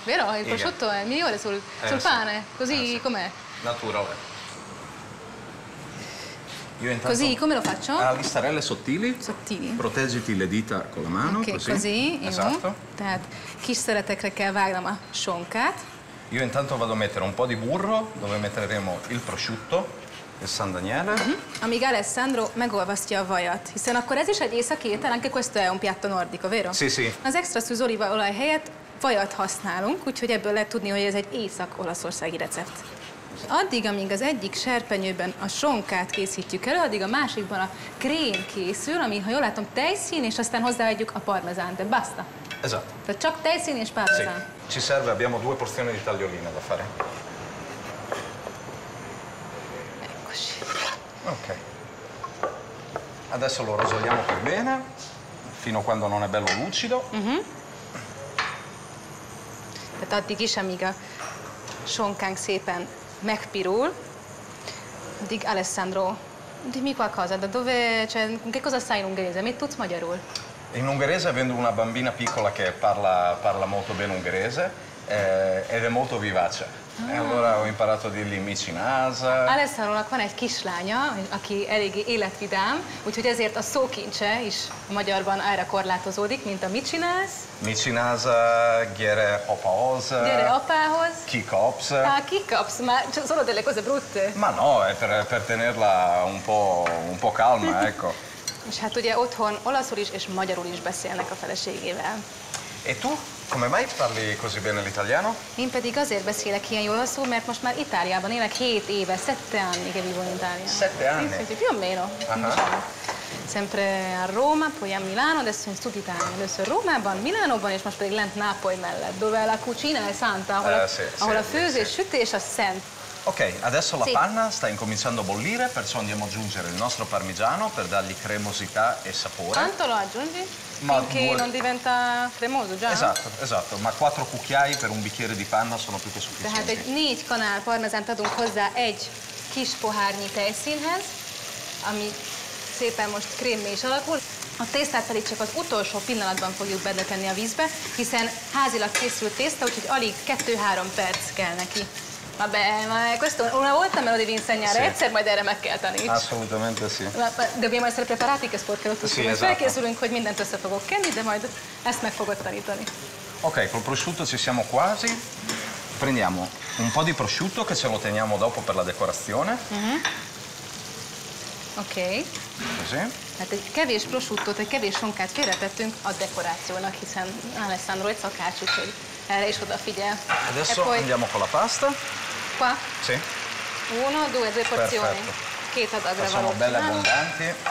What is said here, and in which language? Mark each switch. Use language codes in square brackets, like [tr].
[it] Vero? [hu] Igen. [it] Prosciutto è migliore sul pane, così com'è? Naturale. Io intanto... Così, come lo faccio? A listarelle sottili. Sottili. Proteggiti le dita con la mano, okay, così. Esatto. Io. [hu] Tehát, kiszeretekre kell vágnom a sonkát. [it] Io intanto vado a mettere un po' di burro, dove metteremo il prosciutto. E San Daniele. [hu] Amíg Alessandro megolvasztja a vajat, hiszen akkor ez is egy északi étel, [it] anche questo è un piatto nordico, vero? Sì, sì. [hu] Az extra szűz oliva olaj helyett vajat használunk, úgyhogy ebből lehet tudni, hogy ez egy észak-olaszországi recept. Addig, amíg az egyik serpenyőben a sonkát készítjük elő, addig a másikban a krém készül, ami, ha jól látom, tejszín, és aztán hozzáadjuk a parmezán, de basta. [it] Esatto. [hu] Tehát csak tejszín és parmezán. [it] Sì. Ci serve, abbiamo due porzioni di tagliolina da fare. Ok. Adesso lo rosoliamo per bene, fino a quando non è bello lucido. [hu] Tehát addig is, amíg a sonkánk szépen megpirul, addig Alessandro, [it] dimmi qualcosa, da dove, cioè, che cosa sai in ungherese? [hu] Mit tudsz magyarul? [it] In ungherese, avendo una bambina piccola che parla molto bene ungherese, ed è molto vivace. Ah. E allora ho imparato a dirgli micinasa. [hu] Alessandro, qua egy kislánya, aki eléggé életvidám, úgyhogy ezért a szókincse is magyarban erre korlátozódik, mint a micinász. Micinasa, gyere apához. Gyere apához. Kikapsz. [it] Ah, [hu] kikapsz, [it] ma sono delle cose brutte. Ma no, è per tenerla un po' calma, ecco. [hu] És hát ugye otthon olaszul is és magyarul is beszélnek a feleségével. [it] E tu? Come mai parli così bene l'italiano? [hu] Én pedig azért beszélek ilyen jól olaszul, mert most már Itáliában élek 7 éve, [it] 7 anni che vivo in Italia. 7 anni? Sì, più o meno. Sempre a Roma, poi a Milano, adesso in Sud Italia. [hu] Adesso Rómában, Milánóban és most pedig lent Napoli mellett, [it] dove la cucina è santa, [hu] ahol a főzés, sütés a szent. [it] Ok, adesso la panna sta incominciando a bollire, perciò andiamo ad aggiungere il nostro parmigiano per dargli cremosità e sapore. Quanto lo aggiungi? Finché non diventa cremoso già? Esatto, esatto. Ma 4 cucchiai per un bicchiere di panna sono più che sufficienti. [hu] Tehát egy 4 kanál parmezánt adunk hozzá egy kis pohárnyi tejszínhez, ami szépen most krémmé is alakul. A tésztát pedig csak az utolsó pillanatban fogjuk beletenni a vízbe, hiszen házilag készült tészta, úgyhogy alig 2-3 perc kell neki. [it] Vabbè, ma questo una volta me lo devi insegnare, sì. [hu] Egyszer majd erre meg kell tanítani. [it] Assolutamente sì. Dobbiamo essere preparati che sporcherò tutto. Sì, esatto. [hu] Felkészülünk, hogy mindent össze fogok kenni, de majd ezt meg fogod tanítani. [it] Ok, col prosciutto ci siamo quasi. Prendiamo un po' di prosciutto che ce lo teniamo dopo per la decorazione. Ok. Così. [hu] Hát egy kevés prosciuttot, egy kevés sonkát félretettünk a dekorációnak, hiszen Alessandro egy szakács, úgyhogy erre is odafigyel. [it] Adesso poi... andiamo con la pasta. Qua? Sì. Uno, due, due porzioni. [hu] Két adagra valóban. [it] Sono belle abbondanti.